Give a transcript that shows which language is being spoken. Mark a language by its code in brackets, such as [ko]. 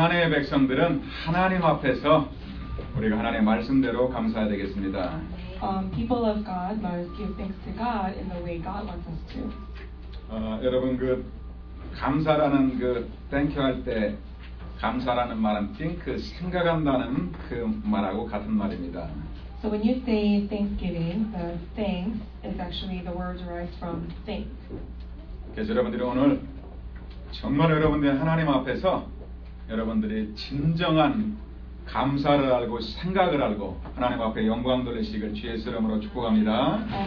[ko] 백성들은 하나님 앞에서 우리가 하나님의 말씀대로 감사해야 되겠습니다. [en] People of God must give thanks to God in the way God wants us to. [ko] 여러분 그 감사라는 그 [en] thank you [ko] 할 때 감사라는 말은 think 생각한다는 그 말하고 같은 말입니다. [en] So when you say thanksgiving, the thanks is actually the word derived from think. [ko] 그래서 여러분들이 오늘 정말 여러분들 하나님 앞에서 여러분들의 진정한 감사를 알고 생각을 알고 하나님 앞에 영광 돌리시기를 주의 이름으로 축복합니다.